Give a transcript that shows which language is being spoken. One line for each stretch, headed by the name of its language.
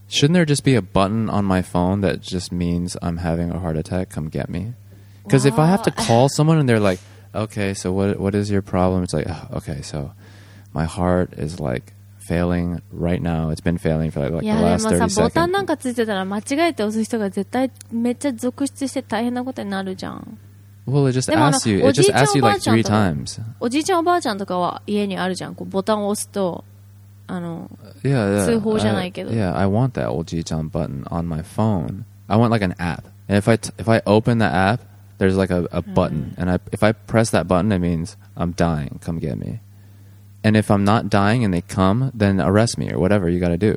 English: Shouldn't there just be a button on my phone that just means I'm having a heart attack? Come get me. Because if I have to call someone and they're like, okay, so what is your problem? It's like, okay, so my heart is like failing right now. It's been failing for like the last 30 seconds.
Japanese: ボタンなんかついてたら間違えて押す人が絶対めっちゃ続出して大変なことになるじゃん。
English: Well, it just asks you. It just asks you like three times.
Japanese: おじいちゃんおばあちゃんとかは家にあるじゃん。こうボタンを押すと、あの...
English: I want that oji-chan button on my phone. I want like an app. And if I open the app, there's like a button. And if I press that button, it means I'm dying. Come get me. And if I'm not dying and they come, then arrest me or whatever you got to do.